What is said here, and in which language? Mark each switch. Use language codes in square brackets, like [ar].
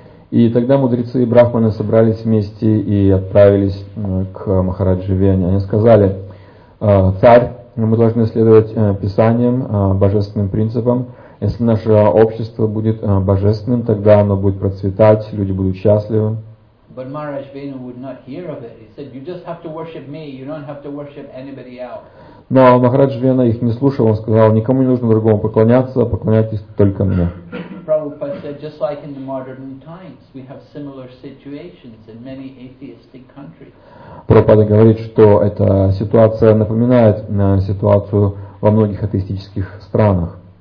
[ru] И тогда мудрецы и брахманы собрались вместе и отправились к Махараджи Вене. Они сказали: «Царь, мы должны следовать писаниям, божественным принципам. Если наше общество будет божественным, тогда оно будет процветать, люди будут счастливы». [en] But Maharaj Venu would not hear of it. He said, "You just have to worship me. You don't have to worship anybody else." [ru] Но Махарадж Вена их не слушал. Он сказал: "Никому не нужно другому поклоняться, поклоняйтесь только мне." [en] Prabhupada said, "Just like in the modern times, we have similar situations in many atheistic countries." [ru] Прабхупада говорит, что эта ситуация напоминает ситуацию во многих атеистических странах.